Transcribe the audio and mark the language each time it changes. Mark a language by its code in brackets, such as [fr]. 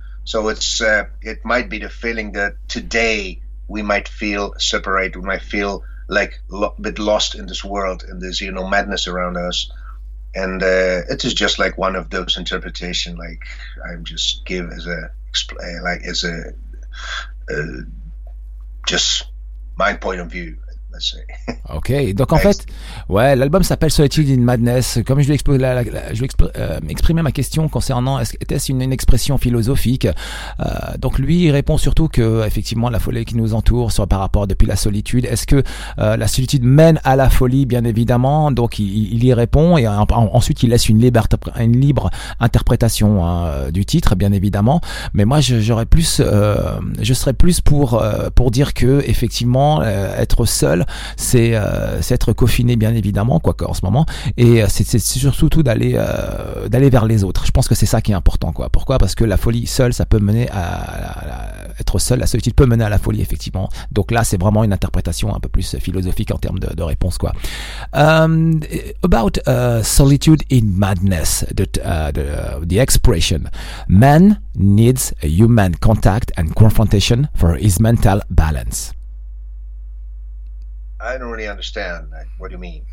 [en] So it's it might be the feeling that today we might feel separate, we might feel like a bit lost in this world, in this, you know, madness around us. And it is just like one of those interpretation, like I'm just give as a, like as a, just my point of view. let's say. [fr] Ok, donc en fait, ouais, l'album s'appelle Solitude in Madness. Comme je lui exprimais ma question concernant était-ce une expression philosophique, donc lui il répond surtout que effectivement la folie qui nous entoure soit par rapport depuis la solitude. Est-ce que la solitude mène à la folie? Bien évidemment. Donc il y répond et ensuite il laisse une libre interprétation du titre, bien évidemment. Mais moi je serais plus pour dire que effectivement être seul, c'est être confiné, bien évidemment, quoi, en ce moment, et c'est surtout d'aller vers les autres. Je pense que c'est ça qui est important, quoi. Pourquoi? Parce que la folie seule, ça peut mener être seul, la solitude peut mener à la folie, effectivement. Donc là, c'est vraiment une interprétation un peu plus philosophique en termes de réponse, quoi. [en] About solitude in madness, the expression man needs a human contact and confrontation for his mental balance. I don't really understand. What do you mean?